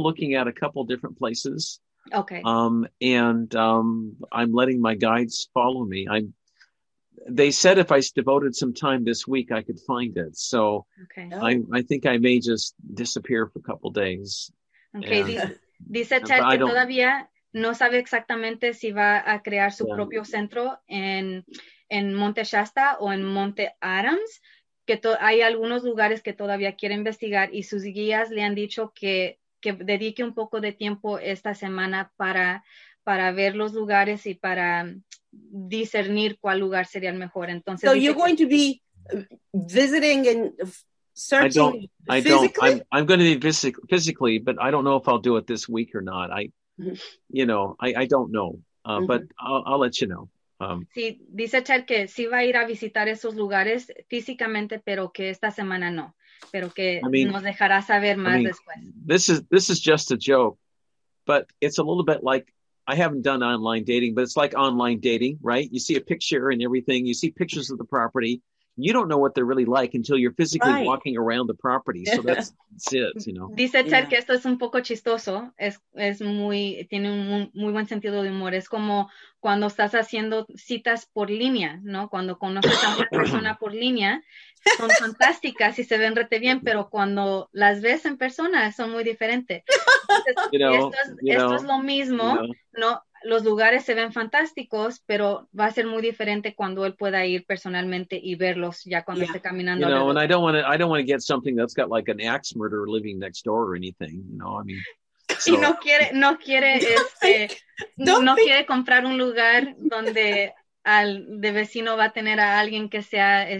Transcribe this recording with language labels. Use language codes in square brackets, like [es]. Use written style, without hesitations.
[en] looking at a couple different places. Okay. I'm letting my guides follow me. They said if I devoted some time this week, I could find it. So okay. I think I may just disappear for a couple days. Okay. [es] Dice Ted que todavía no sabe exactamente si va a crear su propio centro en Monte Shasta o en Monte Adams. Que hay algunos lugares que todavía quiere investigar y sus guías le han dicho que dedique un poco de tiempo esta semana para ver los lugares y para discernir cuál lugar sería el mejor. Entonces, [en] so you're going to be visiting and searching physically? I'm going to be physically, but I don't know if I'll do it this week or not. I don't know, mm-hmm. but I'll let you know. [es] Sí, dice Ted que sí va a ir a visitar esos lugares físicamente, pero que esta semana no. Pero que nos dejará saber más después. [en] This is just a joke, but it's a little bit like I haven't done online dating, but it's like online dating, right? You see a picture and everything. You see pictures of the property. You don't know what they're really like until you're physically right. walking around the property. So that's it, you know. [es] Dice Ted que esto es un poco chistoso. Es muy, tiene un muy buen sentido de humor. Es como cuando estás haciendo citas por línea, ¿no? Cuando conoces a una persona por línea, son fantásticas y se ven rete bien, pero cuando las ves en persona son muy diferentes. Esto es lo mismo, ¿no? Los lugares se ven fantásticos, pero va a ser muy diferente cuando él pueda ir personalmente y verlos ya cuando esté caminando. [en] You know, and I don't want to get something that's got like an axe murderer living next door or anything, you know, I mean. So. [es] Y no quiere quiere comprar un lugar donde de vecino va a tener a alguien que sea